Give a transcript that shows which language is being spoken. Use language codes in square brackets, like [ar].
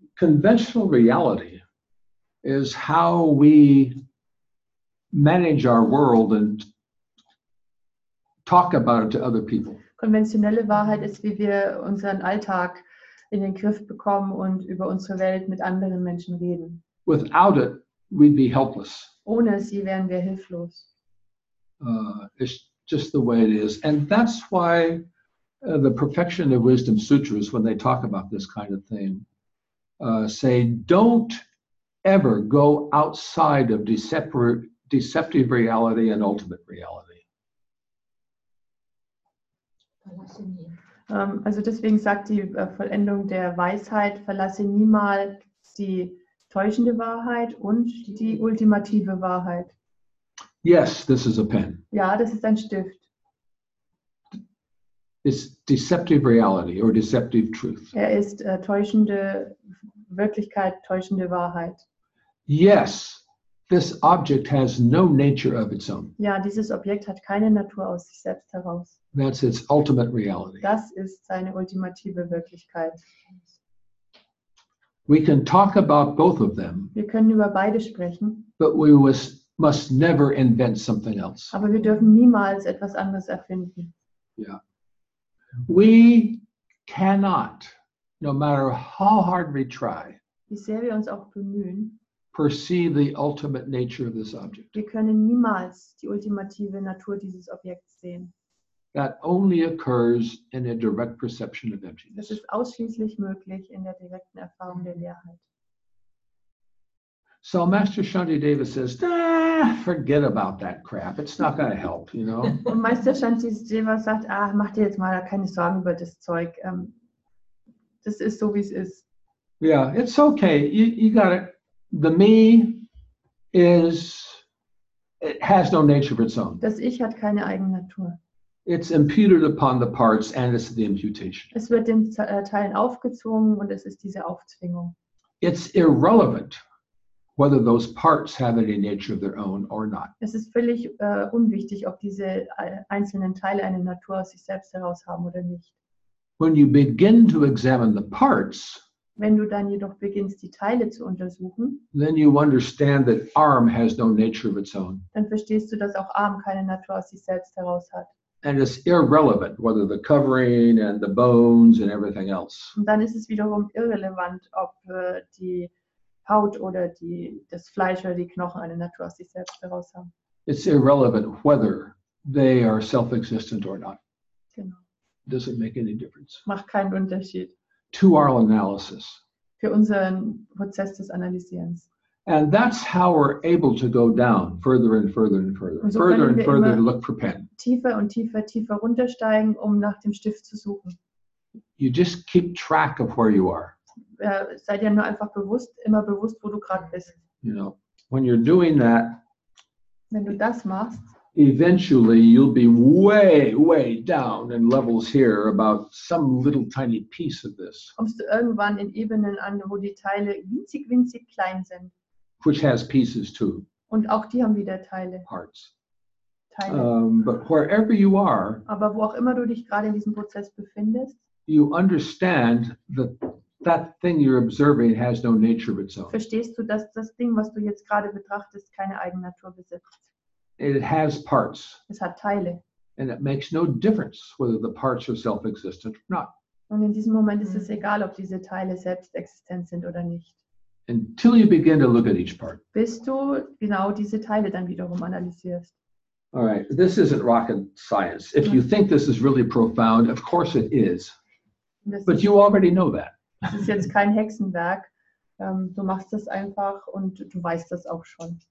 [en] Conventional reality is how we manage our world and talk about it to other people. [de] Konventionelle Wahrheit ist, wie wir unseren Alltag in den Griff bekommen und über unsere Welt mit anderen Menschen reden. [en] Without it, we'd be helpless. [de] Ohne sie wären wir hilflos. [en] It's just the way it is. And that's why the Perfection of Wisdom Sutras, when they talk about this kind of thing, say, don't ever go outside of deceptive reality and ultimate reality. [de] Also deswegen sagt die Vollendung der Weisheit, verlasse niemals die täuschende Wahrheit und die ultimative Wahrheit. [en] Yes, this is a pen. [de] Ja, das ist ein Stift. [en] It's deceptive reality or deceptive truth. [de] Er ist täuschende Wirklichkeit, täuschende Wahrheit. [en] Yes, this object has no nature of its own. [de] Ja, dieses Objekt hat keine Natur aus sich selbst heraus. [en] That's its ultimate reality. [de] Das ist seine ultimative Wirklichkeit. [en] We can talk about both of them. [de] Wir können über beide sprechen. [en] But we must never invent something else. [de] Aber wir dürfen niemals etwas anderes erfinden. [en] Yeah. We cannot, no matter how hard we try, [de] wie sehr wir uns auch bemühen, [en] perceive the ultimate nature of this object. [de] Wir können niemals die ultimative Natur dieses Objekts sehen. [en] That only occurs in a direct perception of emptiness. [de] Das ist ausschließlich möglich in der direkten Erfahrung der Leerheit. [en] So Master Shantideva says, forget about that crap. It's not going to help, you know. [de] Und Meister Shantideva sagt, mach dir jetzt mal keine Sorgen über das Zeug. Das ist so, wie es ist. [en] Yeah, it's okay. You got it. The me is, it has no nature of its own. [de] Das Ich hat keine eigene Natur. [en] It's imputed upon the parts and it's the imputation. [de] Es wird den Teilen aufgezwungen und es ist diese Aufzwingung. [en] It's irrelevant whether those parts have any nature of their own or not. [de] Es ist völlig unwichtig, ob diese einzelnen Teile eine Natur aus sich selbst heraus haben oder nicht. [en] When you begin to examine the parts, [de] Wenn du dann jedoch beginnst, die Teile zu untersuchen, [en] then you understand that arm has no nature of its own. [de] Dann verstehst du, dass auch Arm keine Natur aus sich selbst heraus hat. [en] And it's irrelevant whether the covering and the bones and everything else. [de] Und dann ist es wiederum irrelevant, ob die Haut oder die das Fleisch oder die Knochen eine Natur aus sich selbst heraus haben. [en] It's irrelevant whether they are self-existent or not. [de] Genau. [en] Doesn't make any difference. [de] Macht keinen Unterschied. [en] To our analysis. [de] Für unseren Prozess des Analysierens. [en] And that's how we're able to go down further and further and further. So further and further to look for pen. [de] Tiefer und tiefer, tiefer runtersteigen, um nach dem Stift zu suchen. [en] You just keep track of where you are. [de] Seid ja nur einfach bewusst, immer bewusst, wo du gerade bist. [en] You know, when you're doing that, [de] wenn du das machst, [en] eventually you'll be way, way down in levels here about some little tiny piece of this. [de] Kommst du irgendwann in Ebenen an, wo die Teile winzig, winzig klein sind. [en] Which has pieces too. [de] Und auch die haben wieder Teile. [en] Parts. [de] Teile. [en] But wherever you are, [de] aber wo auch immer du dich gerade in diesem Prozess befindest, [en] you understand that that thing you're observing has no nature of its own. [de] Verstehst du, dass das Ding, was du jetzt gerade betrachtest, keine Eigennatur besitzt? [en] It has parts. [de] Es hat Teile. [en] And it makes no difference whether the parts are self-existent or not. [de] Und in diesem Moment ist es egal, ob diese Teile selbstexistent sind oder nicht. [en] Until you begin to look at each part. [de] Bis du genau diese Teile dann wiederum analysierst. [en] All right, this isn't rocket science. If you think this is really profound, of course it is. [de] Das [en] but [de] ist, [en] you already know that. [de] Es ist jetzt kein Hexenwerk. Du machst das einfach und du weißt das auch schon.